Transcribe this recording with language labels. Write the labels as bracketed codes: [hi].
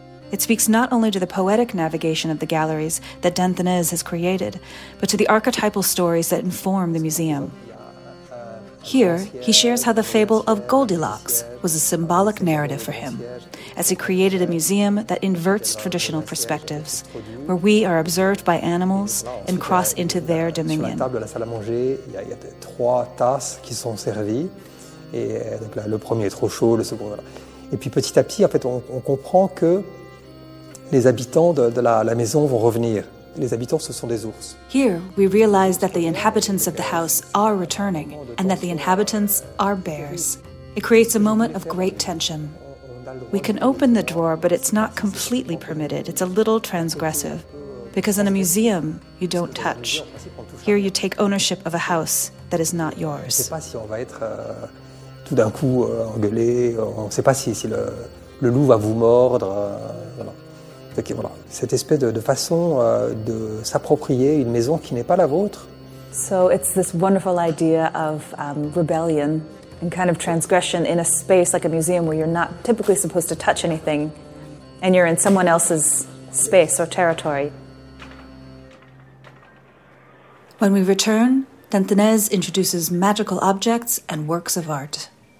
[en] It speaks not only to the poetic navigation of the galleries that Denthenez has created, but to the archetypal stories that inform the museum. Here, he shares how the fable of Goldilocks was a symbolic narrative for him, as he created a museum that inverts traditional perspectives, where we are observed by animals and cross into their dominion. [fr] Sur la table de la salle à manger, il y a trois tasses qui sont servies, et donc là, le premier est trop chaud, le second, voilà. Et puis petit à petit, en fait, on comprend que les habitants de la maison vont revenir. Les habitants, ce sont des ours. [en] Here, we realize that the inhabitants of the house are returning, and that the inhabitants are bears. It creates a moment of great tension. We can open the drawer, but it's not completely permitted. It's a little transgressive, because in a museum, you don't touch. Here, you take ownership of a house that is not yours. [fr] On ne sait pas si on va être tout d'un coup engueulé. On ne sait pas si le loup va vous mordre. Voilà. Cette espèce de façon de s'approprier une maison qui n'est pas la vôtre. [en] So it's this wonderful idea of rebellion and kind of transgression in a space like a museum where you're not typically supposed to touch anything and you're in someone else's space or territory. When we return, Denthenez introduces magical objects and works of art.